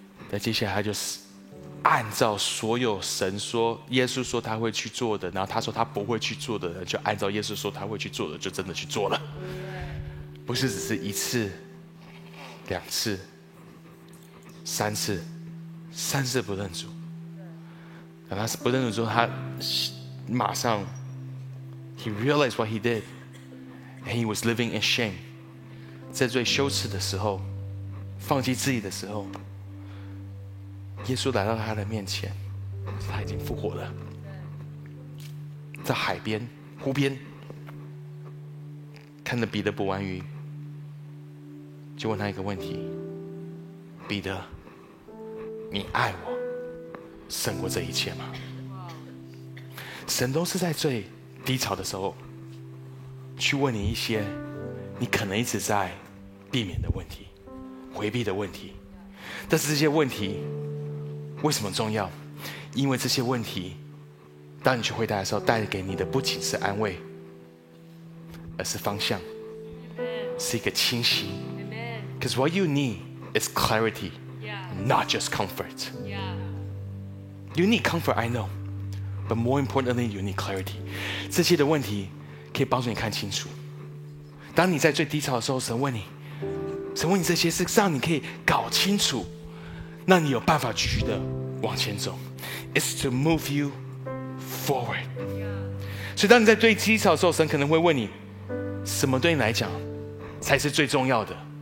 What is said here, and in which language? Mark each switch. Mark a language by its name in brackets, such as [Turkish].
[Chinese] 那接下来他就是按照所有神说耶稣说他会去做的，然后他说他不会去做的，就按照耶稣说他会去做的，就真的去做了。不是只是一次两次三次，三次不认主。等他不认主之后，他马上 [English] he realized what he did and he was living in shame. [Chinese] 在最羞耻的时候，放弃自己的时候，耶稣来到他的面前，他已经复活了。在海边湖边看着彼得捕完鱼，就问他一个问题，彼得，你爱我胜过这一切吗？神都是在最低潮的时候去问你一些你可能一直在避免的问题，回避的问题。但是这些问题为什么重要？因为这些问题当你去回答的时候，带给你的不仅是安慰，而是方向，是一个清晰。 [English] Because what you need is clarity, not just comfort. You need comfort, I know, but more importantly, you need clarity. [Chinese] 这些的问题可以帮助你看清楚。当你在最低潮的时候，神问你，神问你这些事，让你可以搞清楚，让你有办法继续的往前走。 [English] It's to move you forward. [Chinese] 所以，当你在最低潮的时候，神可能会问你，什么对你来讲才是最重要的？